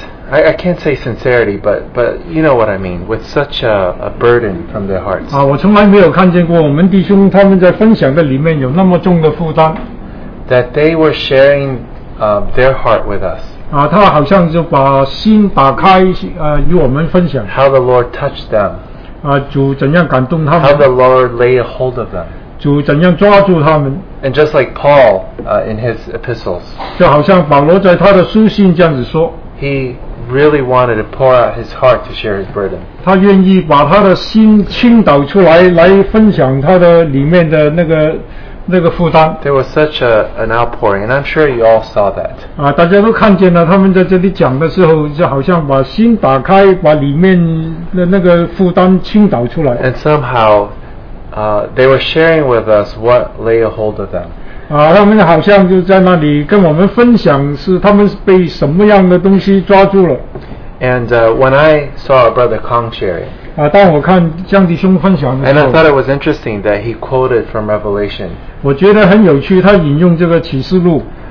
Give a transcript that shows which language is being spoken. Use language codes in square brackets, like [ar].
[en] I can't say sincerity, but you know what I mean, with such a burden from their hearts. [zh] 我从来没有看见过我们弟兄他们在分享的里面有那么重的负担。 [en] That they were sharing their heart with us. [zh] 他好像就把心打开与我们分享。 [en] How the Lord touched them. [zh] 主怎样感动他们。 [en] How the Lord laid a hold of them. [zh] 主怎样抓住他们。 [en] And just like Paul in his epistles. [zh] 就好像保罗在他的书信这样子说。 [en] He really wanted to pour out his heart to share his burden. [zh] 他愿意把他的心倾倒出来，来分享他的里面的那个负担。 [en] There was such an outpouring, and I'm sure you all saw that. [zh] 大家都看见了，他们在这里讲的时候，就好像把心打开，把里面的那个负担倾倒出来。 [en] And somehow, they were sharing with us what lay a hold of them. [zh] 他们好像就在那里跟我们分享，是他们被什么样的东西抓住了。 [en] And when I saw our brother Kong sharing. [zh] 当我看江弟兄分享的时候。 [en] And I thought it was interesting that he quoted from Revelation. [zh] 我觉得很有趣，他引用这个启示录。